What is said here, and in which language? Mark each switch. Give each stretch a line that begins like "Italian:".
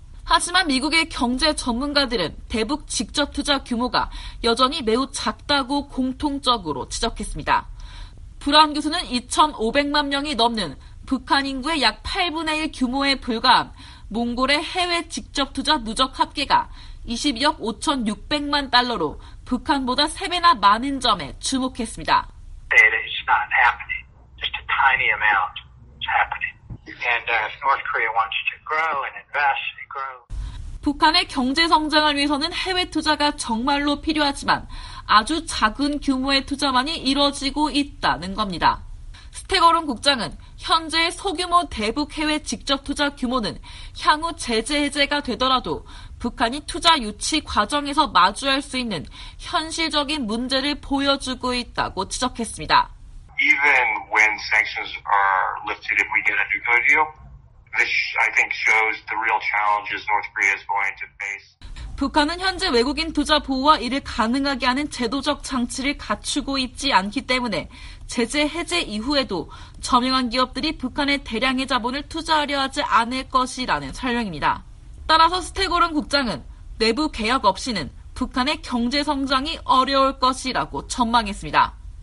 Korean: 하지만 미국의 경제 전문가들은 대북 직접 투자 규모가 여전히 매우 작다고 공통적으로 지적했습니다. 브라운 교수는 2,500만 명이 넘는 북한 인구의 약 8분의 1 규모에 불과한 몽골의 해외 직접 투자 누적 합계가 22억 5,600만 달러로 북한보다 3배나 많은 점에 주목했습니다.
English: It is not happening. Just a tiny amount is happening. And if North Korea wants to grow and invest, they grow.
Korean: 북한의 경제 성장을 위해서는 해외 투자가 정말로 필요하지만 아주 작은 규모의 투자만이 이뤄지고 있다는 겁니다. 스테거론 국장은 현재 소규모 대북 해외 직접 투자 규모는 향후 제재 해제가 되더라도 북한이 투자 유치 과정에서 마주할 수 있는 현실적인 문제를 보여주고 있다고 지적했습니다.
English: Even when sanctions are lifted, if we get a nuclear deal, this I think shows the real challenges North Korea is going to face.
Korean: 북한은 현재 외국인 투자 보호와 이를 가능하게 하는 제도적 장치를 갖추고 있지 않기 때문에 제재 해제 이후에도 저명한 기업들이 북한의 대량의 자본을 투자하려 하지 않을 것이라는 설명입니다. 따라서 스테고런 국장은 내부 개혁 없이는 북한의 경제 성장이 어려울 것이라고 전망했습니다.